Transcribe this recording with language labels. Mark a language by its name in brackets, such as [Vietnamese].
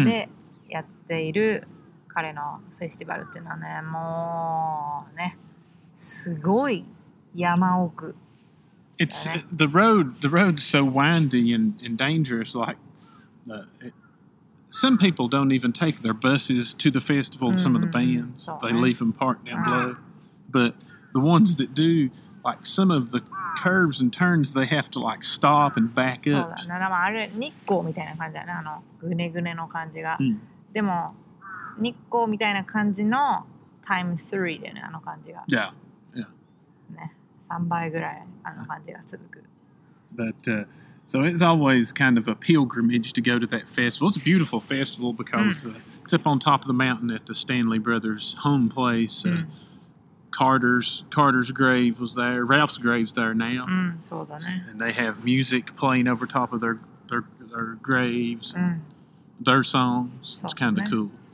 [Japanese] そうだね。日本人の人で、まあ、多分行ったことある人も何人かいるんだろうけれど、ラルフ・スタンレーの、まあ、生まれ故郷でやっている、彼のフェスティバルっていうのはね、もうね、すごい山奥、ね。 [English] It's the road. The road's so windy and dangerous. Like some people don't even take their buses to the festival. Some of the bands, they leave them parked down below. But the ones that do, like some of the curves and turns, they have to like stop and back up. [Japanese] そうだね。でもあれ日光みたいな感じだね。あのぐねぐねの感じが。でも日光みたいな感じのタイム3でね、あの感じが。 3倍ぐらいあの感じが続く。 [English] But, so it's always kind of a pilgrimage to go to that festival. It's a beautiful festival because it's up on top of the mountain at the Stanley Brothers home place. Carter's grave was there. Ralph's grave's there now. [Japanese] そうだね。 [English] And they have music playing over top of their graves and their songs. It's kind of cool.